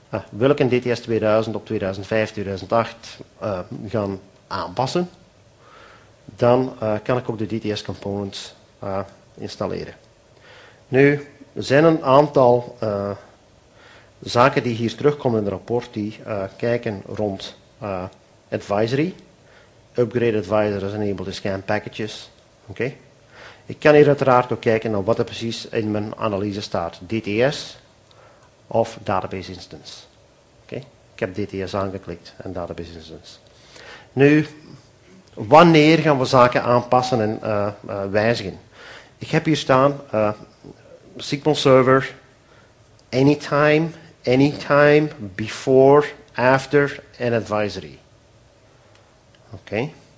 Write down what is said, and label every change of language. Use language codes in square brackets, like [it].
[nl] Wil ik een DTS 2000 op 2005, 2008 gaan aanpassen, dan kan ik ook de DTS component installeren. Nu, er zijn een aantal zaken die hier terugkomen in het rapport, die kijken rond advisory. [en] Upgrade advisor is enabled in scan packages. Okay. [nl] Ik kan hier uiteraard ook kijken naar wat er precies in mijn analyse staat. DTS of database instance. Okay. Ik heb DTS aangeklikt en database instance. Nu, wanneer gaan we zaken aanpassen en wijzigen? Ik heb hier staan SQL Server, anytime, anytime, before, after en advisory. Oké. Okay.